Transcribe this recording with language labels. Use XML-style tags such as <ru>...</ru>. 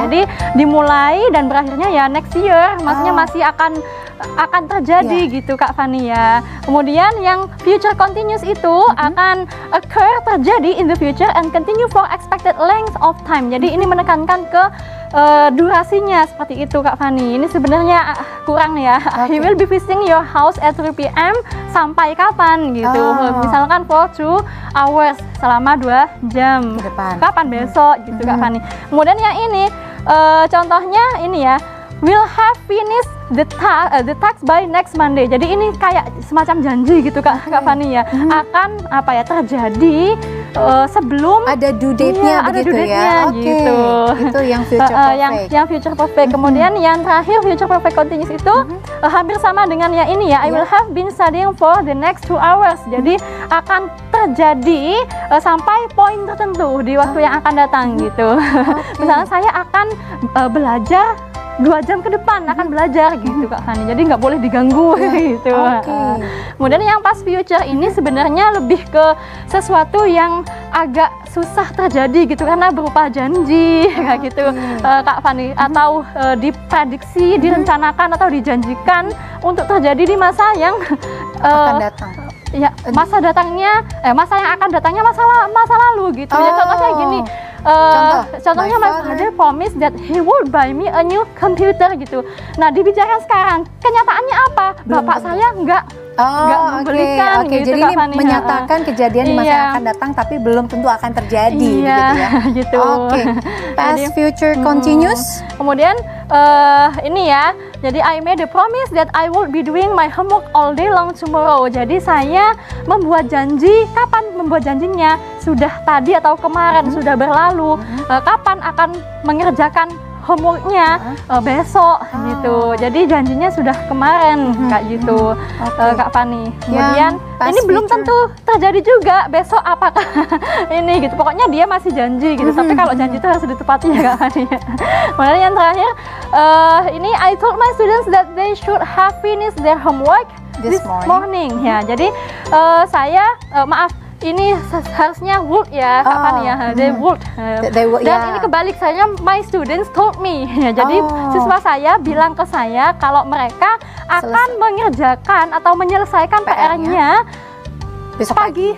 <id>Jadi dimulai dan berakhirnya ya</id> <en>next year.</en> <id>Maksudnya masih akan terjadi gitu Kak Fani ya. Kemudian yang</id> <en>future continuous</en> <id>itu akan</id> <en>occur,</en> <id>terjadi</id> <en>in the future and continue for expected length of time.</en> <id>Jadi ini menekankan ke durasinya seperti itu Kak Fani. Ini sebenarnya kurang ya. Okay.</id> <en>He will be visiting your house at 3 p.m.</en> <id>sampai kapan gitu. Misalkan</id> <en>for 2 hours,</en> <id>selama 2 jam. Depan. Kapan besok gitu Kak Fani. Kemudian yang ini contohnya ini ya.</id> <en>Will have finished the tax by next Monday.</en> <id>Jadi ini kayak semacam janji gitu Kak, Kak Fani ya. Akan apa ya, terjadi sebelum ada due date-nya, ada due date-nya Gitu. Itu yang future perfect. Yang future perfect. Kemudian yang terakhir future perfect continuous itu hampir sama dengan yang ini ya.</id> <en>I will have been studying for the next 2 hours.</en> <id>Jadi akan terjadi sampai poin tertentu di waktu yang akan datang gitu. Misalnya saya akan belajar 2 jam ke depan akan belajar gitu Kak Fani. Jadi nggak boleh diganggu gitu. Kemudian yang past future ini sebenarnya lebih ke sesuatu yang agak susah terjadi gitu, karena berupa janji gitu Kak Fani, atau diprediksi, direncanakan atau dijanjikan untuk terjadi di masa yang akan datang. Ya, masa datangnya masa yang akan datangnya masa lalu gitu. Ya, contohnya gini. Contohnya</id> <en>my father promised that he would buy me a new computer gitu.</en> <id>Nah, dibicarakan sekarang, kenyataannya apa? Bapak saya enggak membelikan gitu. Jadi Kak ini Fani, menyatakan kejadian di masa yang akan datang tapi belum tentu akan terjadi gitu ya. Gitu.</id> <en>Okay. Past future continuous.</en> <id>Kemudian ini ya.</id> <en>Jadi I made a promise that I would be doing my homework all day long tomorrow.</en> <id>Jadi saya membuat janji, kapan membuat janjinya? Sudah tadi atau kemarin, sudah berlalu. Kapan akan mengerjakan homeworknya? Besok gitu. Jadi janjinya sudah kemarin Kak gitu. Kak Fani. Kemudian ini belum tentu terjadi juga besok apakah ini gitu. Pokoknya dia masih janji gitu. Tapi kalau janji itu harus ditepati ya Kak Fani. Kemudian yang terakhir ini</id> <en>I told my students that they should have finished their homework this morning.</en> <id>Ya. Jadi saya maaf, ini harusnya would ya Kak Fani ya.</id> <en>They would.</en> <id>Dan ini kebalik, saya</id> <en>my students told me.</en> <id>Ya, jadi siswa saya bilang ke saya kalau mereka akan mengerjakan atau menyelesaikan PR-nya besok pagi.</id>